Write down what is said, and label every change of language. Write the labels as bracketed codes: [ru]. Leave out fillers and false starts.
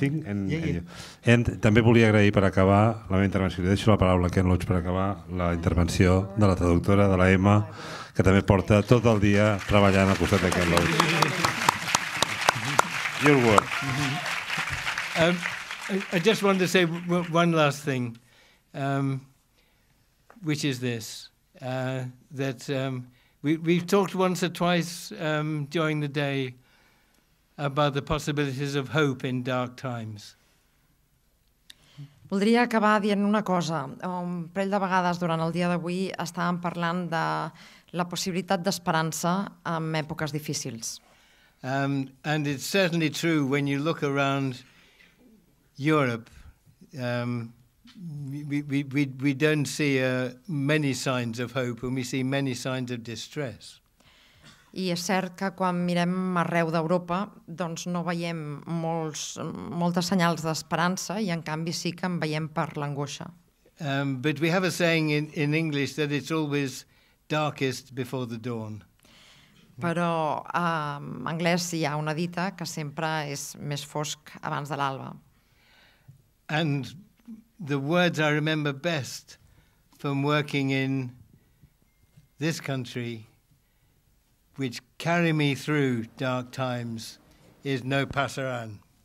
[ca] També volia agrair per acabar la meva intervenció. Deixo la paraula a Ken Loach per acabar la intervenció de la traductora, de la Emma, que també porta tot el dia treballant al costat de Ken Loach. [en] Your word. I just wanted to say one last thing, which is this, that we've talked once or twice during the day about the possibilities of hope in dark times. [ca] Voldria acabar dient una cosa. Un parell de vegades durant el dia d'avui estàvem parlant de la possibilitat d'esperança en èpoques difícils. [en] And it's certainly true when you look around Europe, we don't see many signs of hope, and we see many signs of distress. [ca] I és cert que quan mirem arreu d'Europa, doncs no veiem moltes senyals d'esperança, i en canvi sí que en veiem per l'angoixa. [en] But we have a saying in English that it's always darkest before the dawn. [ca] Però en anglès hi ha una dita que sempre és més fosc abans de l'alba. [en] And the words I remember best from working in this country, which carry me through dark times, is [es] no pasarán.